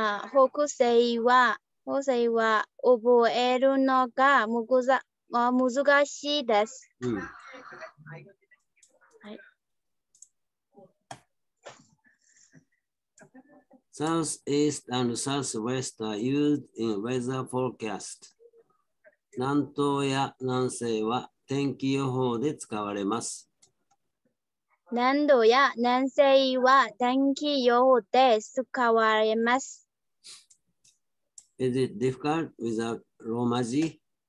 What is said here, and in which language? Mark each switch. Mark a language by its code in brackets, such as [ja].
[ja] 北西は覚えるのが難しいです。 [en] うん、Southeast and Southwest are used in weather forecast. [ja] 南東や南西は天気予報で使われます。南東や南西は天気予報で使われます。 [en] Is it difficult without ローマ字?